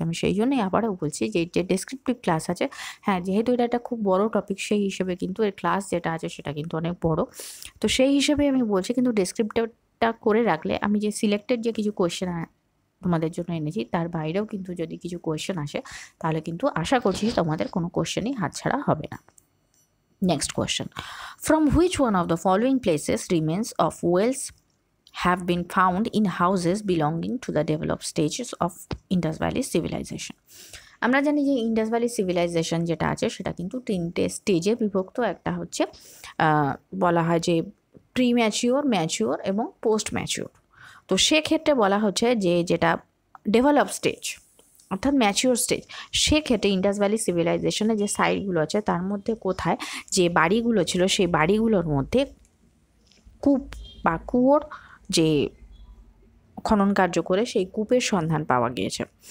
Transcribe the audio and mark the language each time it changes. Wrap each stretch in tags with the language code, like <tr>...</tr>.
<bn>আমি সেই জন্যই আবারও বলছি যে যে ডেসক্রিপটিভ ক্লাস আছে, হ্যাঁ যেহেতু এটা একটা খুব বড় টপিক সেই হিসেবে কিন্তু এর ক্লাস যেটা আছে সেটা কিন্তু অনেক বড়, তো সেই হিসেবে আমি বলছি কিন্তু ডেসক্রিপটিভটা করে রাখলে আমি যে সিলেক্টেড যে কিছু কোয়েশ্চেন তোমাদের জন্য এনেছি তার বাইরেও কিন্তু যদি কিছু কোয়েশ্চেন আসে তাহলে কিন্তু আশা করছি তোমাদের কোনো কোয়েশ্চেনই হাতছাড়া হবে না।</bn> <en>Next question. From which one of the following places remains of wells have been found in houses belonging to the developed stages of Indus Valley Civilization?</en> <bn>আমরা জানি যে ইন্ডাস ভ্যালি সিভিলাইজেশন যেটা আছে সেটা কিন্তু তিনটে স্টেজে বিভক্ত, একটা হচ্ছে বলা হয় যে প্রি ম্যাচিওর, ম্যাচিওর এবং পোস্ট ম্যাচিওর। তো সেক্ষেত্রে বলা হচ্ছে যে যেটা ডেভেলপ স্টেজ অর্থাৎ ম্যাচিওর স্টেজ, সেক্ষেত্রে ইন্ডাস ভ্যালি সিভিলাইজেশনের যে সাইটগুলো আছে তার মধ্যে কোথায় যে বাড়িগুলো ছিল সেই বাড়িগুলোর মধ্যে কূপ বা কুয়োর যে খনন কার্য করে সেই কূপের সন্ধান পাওয়া গিয়েছে।</bn>